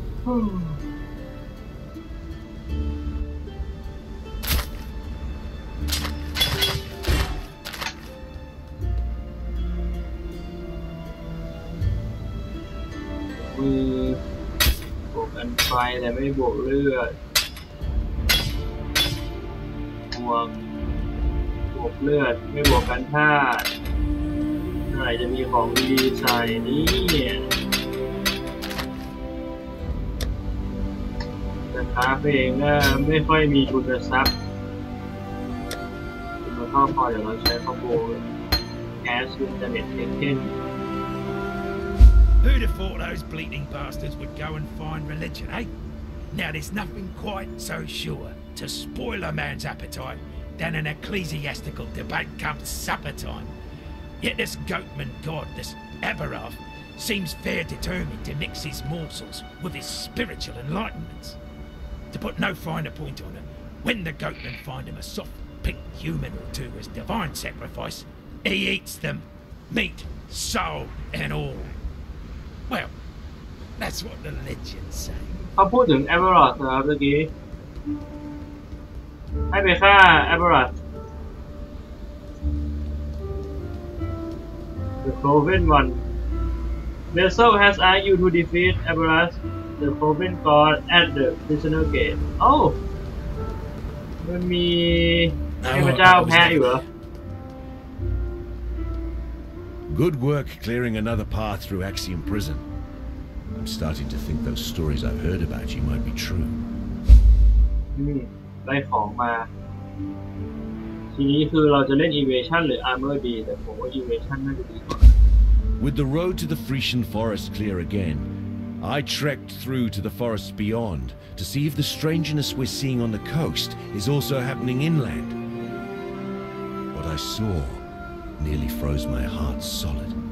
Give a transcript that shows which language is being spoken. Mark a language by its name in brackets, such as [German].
[Thai] มือบวกกันไฟแต่ไม่บวกเลือดบวกเลือดไม่บวกกันธาตุเมื่อไหร่จะมีของดีใส่นี่เนี่ย แต่ค้าเพลงก็ไม่ค่อยมีทุนทรัพย์เราชอบพอเดี๋ยวเราใช้ข้าวโพดแคสต์อินเทอร์เน็ตเช่น [English] Who'd have thought those bleating bastards would go and find religion, eh? Now there's nothing quite so sure. To spoil a man's appetite than an ecclesiastical debate come supper time. Yet this goatman god, this Abarov, seems fair determined to mix his morsels with his spiritual enlightenments. To put no finer point on it, when the goatmen find him a soft pink human or two as divine sacrifice, he eats them, meat, soul, and all. Well, that's what the legends say. [Thai] เขาพูดถึงแอเบอรัสนะครับเมื่อกี้ให้ไปฆ่าแอเบอรัส [English] The Cloven One Vessel has asked you to defeat Abarov, the Cloven God at the prisoner gate. [Thai] Oh! มันมีเทพเจ้าแพ้อยู่เหร [English] อ Good work clearing another path through Axiom Prison. I'm starting to think those stories I've heard about you might be true. [Thai] ได้ของมาทีนี้คือเราจะเล่น Evasion หรือ Armor B แต่ผมว่า Evasion น่าจะดีกว่า [English] With the road to the Frisian Forest clear again, I trekked through to the forest beyond to see if the strangeness we're seeing on the coast is also happening inland. What I saw nearly froze my heart solid.